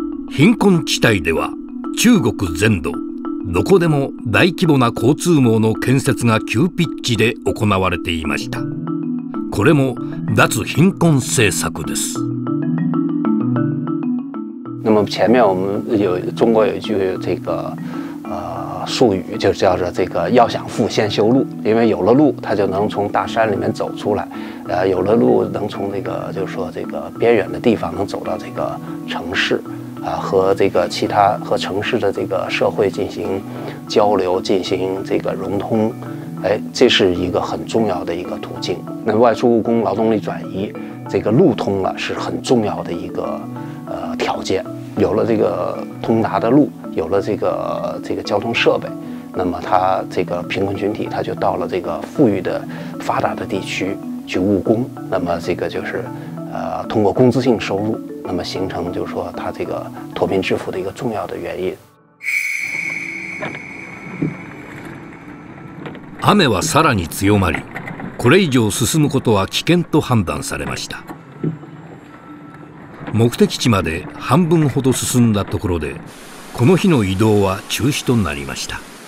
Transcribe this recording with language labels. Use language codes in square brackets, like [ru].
[ja] 貧困地帯では中国全土どこでも大規模な交通網の建設が急ピッチで行われていました。これも脱貧困政策です。 [zh] 那么前面我们有中国有一句这个术语，就叫做这个要想富先修路，因为有了路他就能从大山里面走出来，有了路能从这个就是说这个边远的地方能走到这个城市啊，和这个其他和城市的这个社会进行交流，进行这个融通，哎，这是一个很重要的一个途径。那外出务工、劳动力转移，这个路通了是很重要的一个条件。有了这个通达的路，有了这个交通设备，那么他这个贫困群体他就到了这个富裕的发达的地区去务工，那么这个就是通过工资性收入。那么形成就是说他这个脱贫致富的一个重要的原因。 [ja] 雨はさらに強まり、これ以上進むことは危険と判断されました。目的地まで半分ほど進んだところで、この日の移動は中止となりました。